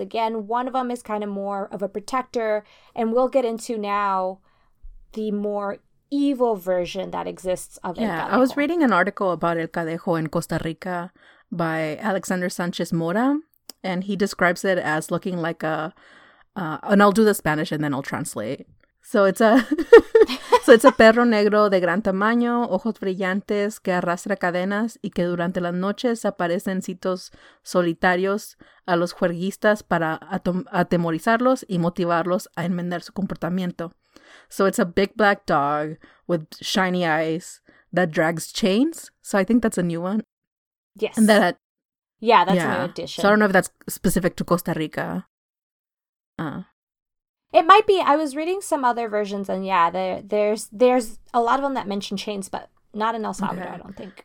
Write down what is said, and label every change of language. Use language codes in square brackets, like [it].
[en] Again, one of them is kind of more of a protector, and we'll get into now the more evil version that exists of El Cadejo. I was reading an article about El Cadejo in Costa Rica by Alexander Sanchez Mora. And he describes it as looking like a, and I'll do the Spanish and then I'll translate. So it's a, So it's a [es] perro negro de gran tamaño, ojos brillantes, que arrastra cadenas y que durante las noches aparece en sitios solitarios a los juerguistas para atemorizarlos y motivarlos a enmendar su comportamiento. [en] So it's a big black dog with shiny eyes that drags chains. So I think that's a new one. Yes. And that, that's an addition. So I don't know if that's specific to Costa Rica. It might be. I was reading some other versions, and yeah, there's a lot of them that mention chains, but not in El Salvador, okay. I don't think.